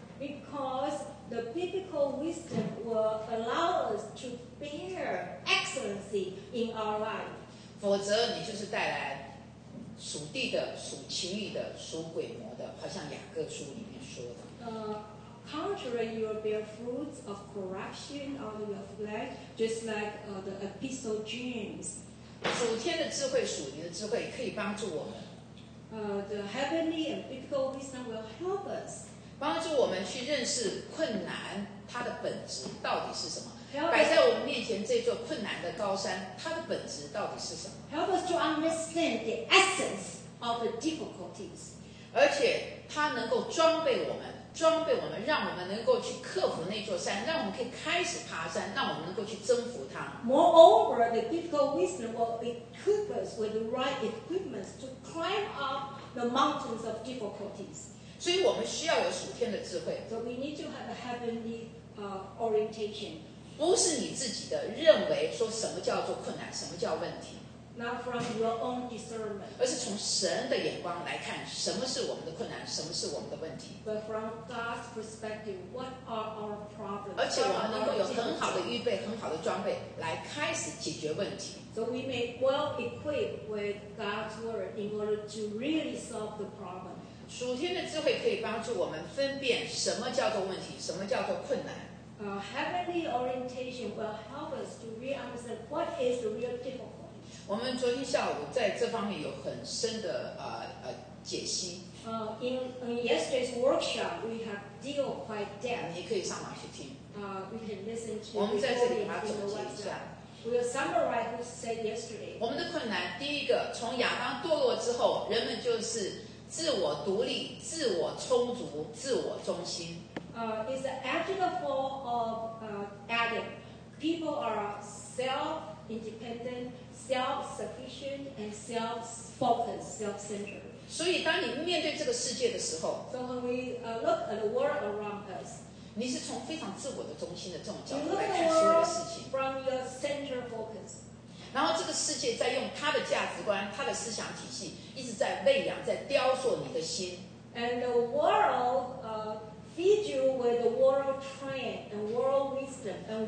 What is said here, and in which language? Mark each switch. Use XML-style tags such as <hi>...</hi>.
<en>Because the biblical wisdom will allow us to bear excellency in our life.</en> <zh>否则你就是带来属地的、属情欲的、属鬼魔的，好像雅各书里面说的。</zh> <en>Contrary, you will bear fruits of corruption out of your flesh, just like the Epistle James.</en> <zh>属天的智慧，属灵的智慧可以帮助我们。</zh> <en>The heavenly and biblical wisdom will help us.</en> <zh>帮助我们去认识困难它的本质到底是什么。摆在我们面前这座困难的高山，它的本质到底是什么。</zh> <en>Help us to understand the essence of the difficulties.</en> <zh>而且它能够装备我们。装备我们，让我们能够去克服那座山，让我们可以开始爬山，让我们能够去征服它。</zh> <en>Moreover, the biblical wisdom will equip us with the right equipment to climb up the mountains of difficulties.</en> <zh>所以我们需要有属天的智慧。</zh> <en>So we need to have a heavenly orientation.</en> <zh>不是你自己的认为说什么叫做困难，什么叫问题。</zh> <en>Not from your own discernment.</en> <zh>而是从神的眼光来看，什么是我们的困难，什么是我们的问题。</zh> <en>But from God's perspective, what are our problems?</en> <zh>而且我们能够有很好的预备，很好的装备来开始解决问题。</zh> <en>So we may well equip with God's word in order to really solve the problem.</en> <zh>属天的智慧可以帮助我们分辨什么叫做问题，什么叫做困难。</zh> <en>Heavenly orientation will help us to really understand what is the real difficulty.</en> <zh>我们昨天下午在这方面有很深的解析。</zh> <en>In yesterday's workshop, we have deal quite depth.</en> <zh>你可以上网去听。</zh> <en>We can listen to.</en> <zh>我们在这里把它总结一下。</zh> <en>We will summarize what we said yesterday.</en> <zh>我们的困难，第一个，从亚当堕落之后，人们就是自我独立、自我充足、自我中心。</zh> <en>It's the actual fall of Adam. People are self-independent. Self-sufficient and self-focused, self-centered.</en> <zh>所以当你面对这个世界的时候</zh> <en>，So when we look at the world around us,</en> <zh>你是从非常自我的中心的这种角度</zh> <en>you</en> <zh>来看所有的事情</zh> <en>，from your center focus.</en> <zh>然后这个世界在用它的价值观、它的思想体系，一直在喂养、在雕塑你的心。</zh> <en>And the world feed you with the world trend and world wisdom. And world</en>